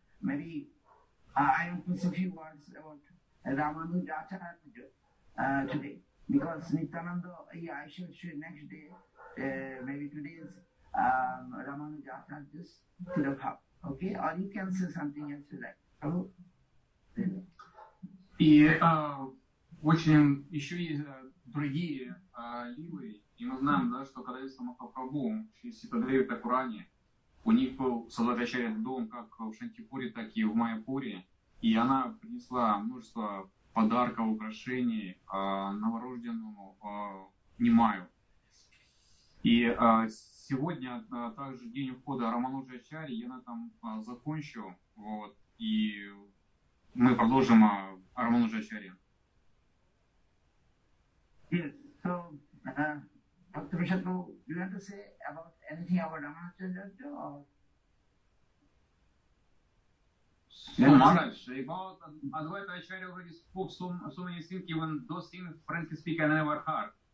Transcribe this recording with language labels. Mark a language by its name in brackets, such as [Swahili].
[English] Maybe I want to say a few words about Ramanuja Acharya today, because Nityananda, I shall show you next day, maybe today's Ramanuja Acharya to the Bhav. Okay, or you can say something else you like. Hello? [Russian] И очень еще есть другие ливы, и мы знаем, да, что когда есть Махапрабху, через Ситадеви Такурани, у них был Садхачарья дом как в Шантипуре, так и в Майяпуре. И она принесла множество подарков, украшений новорожденному Немаю. И сегодня также день ухода Рамануджа Ачарьи, я на этом закончу. Вот, и мы продолжим о Рамануджа Ачарьи. [English] Yes, so, Dr. Vishadu, do you want to say about anything about Ramanuja or? So much. About Advaita Acharya already spoke so many things, even those things frankly speaking I never heard.